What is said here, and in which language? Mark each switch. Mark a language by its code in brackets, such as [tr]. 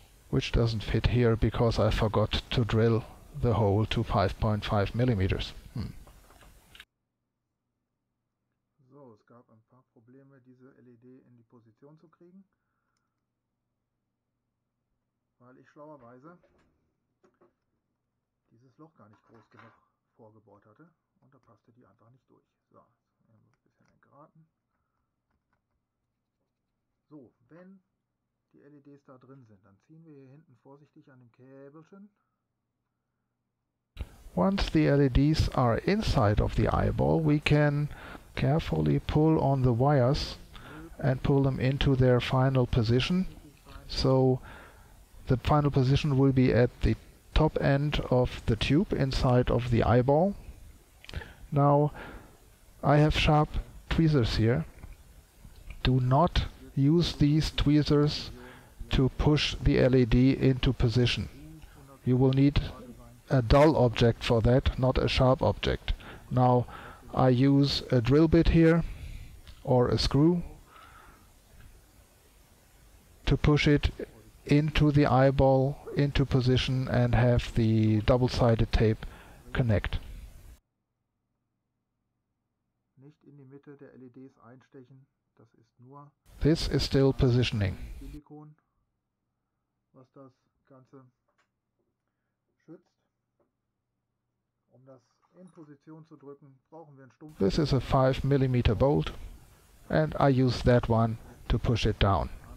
[en] Which doesn't fit here because I forgot to drill the hole to 5.5 millimeters. [de] So, es gab ein paar Probleme, diese LED in die Position zu kriegen. Weil ich schlauerweise dieses Loch gar nicht groß genug vorgebohrt hatte und da passte die einfach nicht durch. So, ein bisschen entgraten. So, wenn die LEDs da drin sind, dann ziehen wir hier hinten vorsichtig an dem Käbelchen. [en] Once the LEDs are inside of the eyeball, we can carefully pull on the wires and pull them into their final position. So the final position will be at the top end of the tube inside of the eyeball. Now, I have sharp tweezers here. Do not use these tweezers to push the LED into position. You will need a dull object for that, not a sharp object. Now, I use a drill bit here or a screw to push it into the eyeball into position and have the double-sided tape connect. [de] Nicht in die Mitte der LEDs einstechen, das ist nur. [en] This is still positioning. [de] Silikon, was das Ganze schützt. Um das in Position zu drücken, brauchen wir einen Stumpf. [en] This is a 5mm bolt and I use that one to push it down.